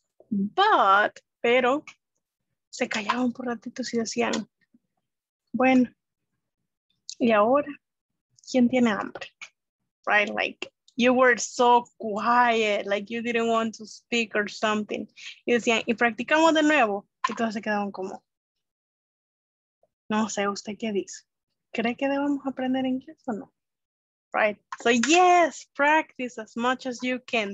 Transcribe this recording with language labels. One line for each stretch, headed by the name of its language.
Spanish: But, pero, se callaban por ratitos y decían, bueno, y ahora, ¿quién tiene hambre? Right?
English: Like, you were so quiet, like you didn't want to speak or something.
Spanish: Y decían, y practicamos de nuevo. Y todos se quedaban como, no sé, ¿usted qué dice? ¿Cree que debemos aprender inglés o no? Right.
English: So, yes, practice as much as you can.